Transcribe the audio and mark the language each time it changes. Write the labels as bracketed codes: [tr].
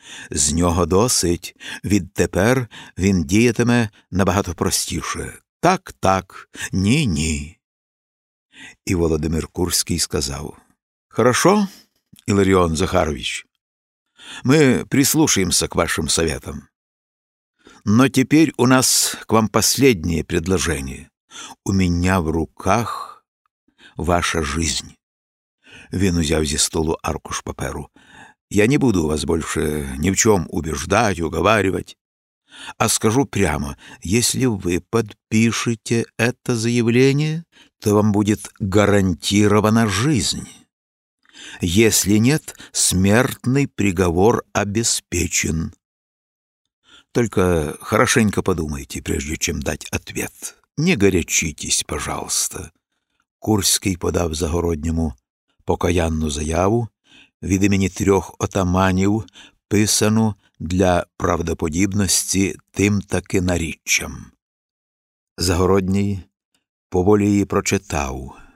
[uk] З нього досить, відтепер він діятиме набагато простіше. Так-так, ні-ні. І Володимир Курський сказав: [ru] «Хорошо, Іларіон Захарович, ми прислушаємося к вашим советам. Но теперь у нас к вам последнее предложение. У меня в руках ваша жизнь». [uk] Він узяв зі столу аркуш паперу. [ru] «Я не буду вас больше ни в чем убеждать, уговаривать. А скажу прямо, если вы подпишете это заявление, то вам будет гарантирована жизнь. Если нет, смертный приговор обеспечен. Только хорошенько подумайте, прежде чем дать ответ. Не горячитесь, пожалуйста». [uk] Курський подав Загородньому покаянну заяву від імені трьох отаманів, писану для правдоподібності тим таки наріччям. Загородній поволі її прочитав.